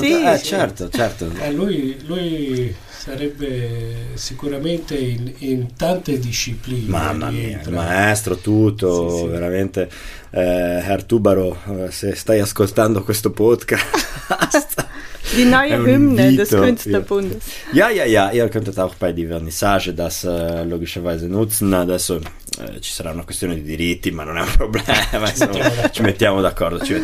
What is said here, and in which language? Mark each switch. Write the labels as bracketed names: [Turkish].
[Italian] Sì, sì. certo. Lui sarebbe sicuramente in tante discipline. Mamma mia, maestro tutto, sì. Veramente Herr Tubaro, se stai ascoltando questo podcast. [German] Die neue Hymne des Künstlerbundes. Ja, ihr könntet auch bei die Vernissage das logischerweise nutzen. [Italian] Adesso ci sarà una questione di diritti, ma non è un problema. Insomma, ci mettiamo d'accordo.